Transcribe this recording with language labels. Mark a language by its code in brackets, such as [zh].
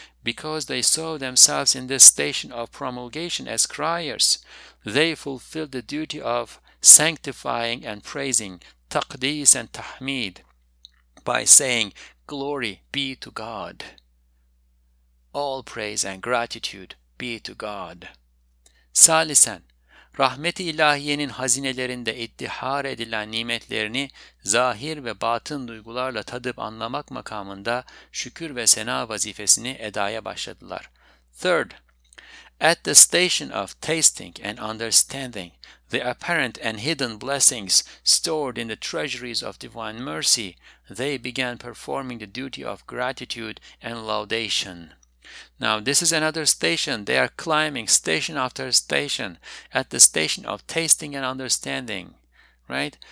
[en] Because they saw themselves in this station of promulgation as criers, they fulfilled the duty of sanctifying and praising, taqdis and tahmid, by saying, glory be to God. All praise and gratitude be to God. [tr] Salisen, rahmet-i ilahiyenin hazinelerinde ittihar edilen nimetlerini zahir ve batın duygularla tadıp anlamak makamında şükür ve sena vazifesini edaya başladılar. [en] Third, at the station of tasting and understanding the apparent and hidden blessings stored in the treasuries of divine mercy, they began performing the duty of gratitude and laudation. Now, this is another station. They are climbing station after station at the station of tasting and understanding, right?